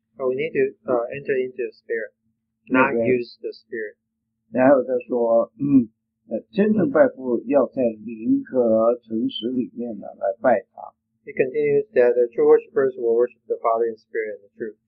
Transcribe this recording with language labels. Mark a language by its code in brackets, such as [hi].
[en] So we need to enter into the spirit, not use the spirit. [zh] 然后他说，真正拜父要在灵和诚实里面呢来拜他。 [en] He continues that the true worshippers will worship the Father in spirit and truth.